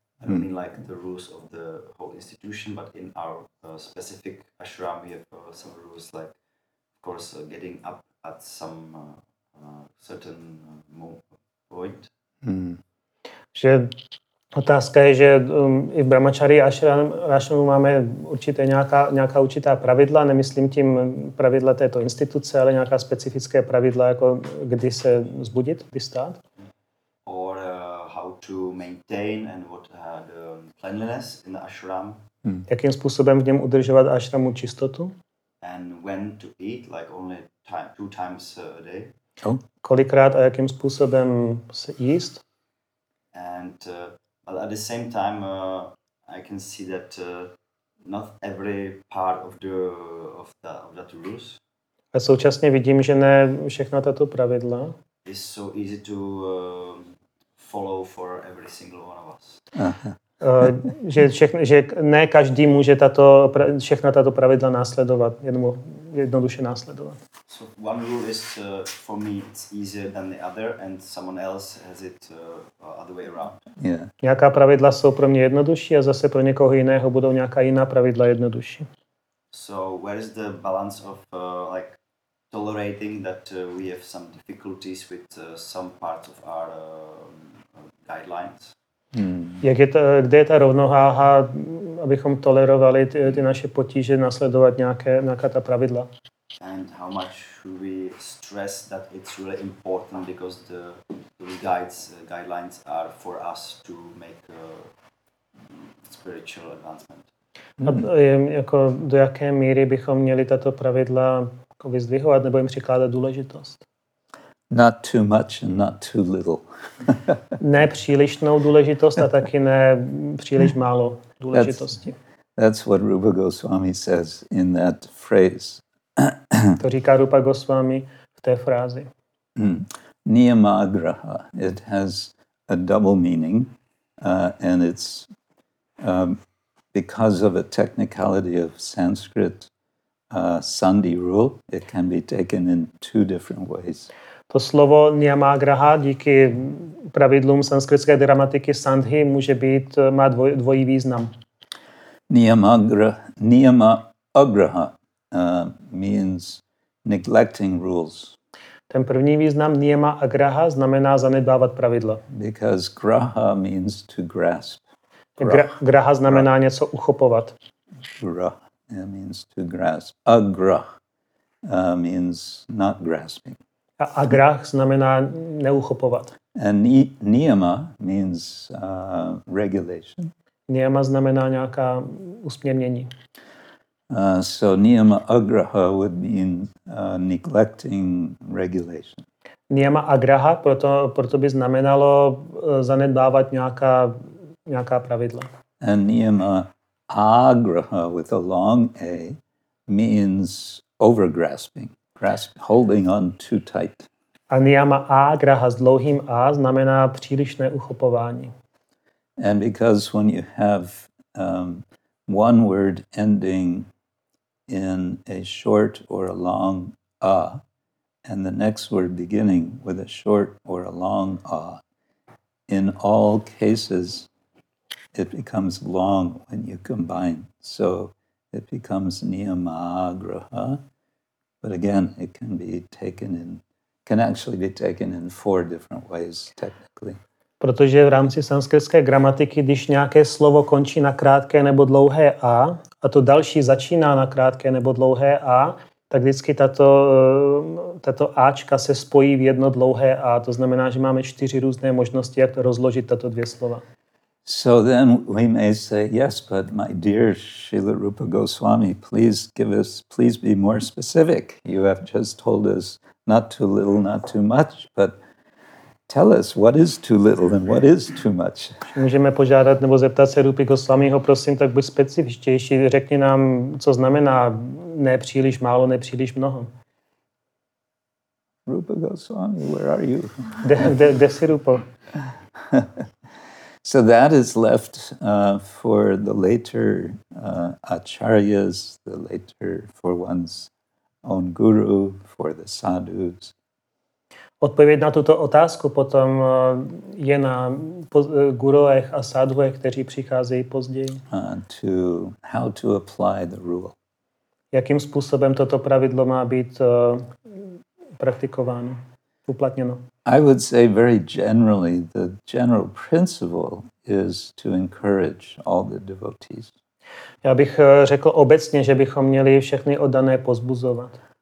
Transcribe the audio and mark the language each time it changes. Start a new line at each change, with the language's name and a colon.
English: I don't mean like the rules of the whole institution, but in our specific Ashram, we have some rules like, of course, getting up at some certain point.
Czech: Že otázka je, že i v Brahmachari Ashramu máme určité nějaká určitá pravidla, nemyslím tím pravidla této instituce, ale nějaká specifické pravidla, jako kdy se vzbudit, vystát.
English: Or how to maintain and what the cleanliness in the ashram.
Czech: Jakým způsobem v něm udržovat ashramu čistotu.
English: And when to eat, like only two times a day. Oh.
Czech: Kolikrát a jakým způsobem se jíst?
English: And but at the same time, I can see that not every part of that rules.
Czech: A současně vidím, že ne všechna tato pravidla.
English: Is so easy to follow for every single one of us.
Czech: že ne každý může všechna tato pravidla následovat, jednoduše následovat.
English: So one rule is for me it's easier than the other and someone else has it other way around. Yeah.
Czech: Nějaká pravidla jsou pro mě jednodušší a zase pro někoho jiného budou nějaká jiná pravidla jednodušší.
English: So where is the balance of like tolerating that we have some difficulties with some parts of our guidelines?
Czech: Jak je to, kde je ta rovnováha, abychom tolerovali ty naše potíže nasledovat nějaká ta pravidla?
English: And how much should we stress that it's really important because the the guides guidelines are for us to make a spiritual advancement.
Czech: No, jako do jaké míry bychom měli tato pravidla jako vyzdvihovat nebo jim přikládat důležitost?
English: Not too much and not too little.
Czech: Ne přílišnou důležitost a taky ne příliš málo důležitosti.
English: That's what Rupa Goswami says in that phrase.
Czech: To říká Rupa Goswami v té frázi.
Sanskrit: Niyamagraha.
English: It has a double meaning and it's because of a technicality of Sanskrit sandhi rule, it can be taken in two different ways.
Czech: To slovo niyamagraha díky pravidlům sanskritské gramatiky sandhi může být, má dvojí význam.
English: Niyamagraha means neglecting rules.
Czech: Ten první význam niyama agraha znamená zanedbávat pravidla.
English: Because graha means to grasp.
Czech: Graha znamená něco uchopovat.
English: Graha means to grasp. Agraha means not grasping.
Czech: A agrah znamená neuchopovat.
English: And niyama means regulation.
Czech: Niyama znamená nějaká usměrnění.
English: So niyama agraha would mean neglecting regulation.
Czech: Niyama agraha proto by znamenalo zanedbávat nějaká pravidla.
English: And niyama agraha with a long A means overgrasping, holding on too tight.
Czech: A niyama agraha s dlouhým A znamená přílišné uchopování.
English: And because when you have one word ending in a short or a long a, and the next word beginning with a short or a long a, in all cases it becomes long when you combine. So it becomes niyamagraha, but again it can be taken in, can actually be taken in four different ways technically.
Czech: Protože v rámci sanskritské gramatiky, když nějaké slovo končí na krátké nebo dlouhé a to další začíná na krátké nebo dlouhé a, tak vždycky tato ačka se spojí v jedno dlouhé a. To znamená, že máme čtyři různé možnosti, jak to rozložit tato dvě slova.
English: So then we may say, yes, but my dear Srila Rupa Goswami, please give us, please be more specific. You have just told us not too little, not too much, but tell us what is too little and what is too much.
Czech: Můžeme požádat nebo zeptat se Rupy Goswamiho, prosím, tak buď specifičtější, řekni nám, co znamená nepříliš málo, nepříliš mnoho.
English: Rupa Goswami, where are you?
Czech: Kde jsi, Rupo?
English: So that is left for the later acharyas, the later for one's own guru, for the sadhus.
Czech: Odpověď na tuto otázku potom je na guruech a sadhuech, kteří přicházejí později.
English: To how to apply the rule.
Czech: Jakým způsobem toto pravidlo má být praktikováno, uplatněno?
English: I would say very generally, the general principle is to encourage all the devotees.
Czech: Já bych řekl obecně, že bychom měli všechny oddané pozbuzovat.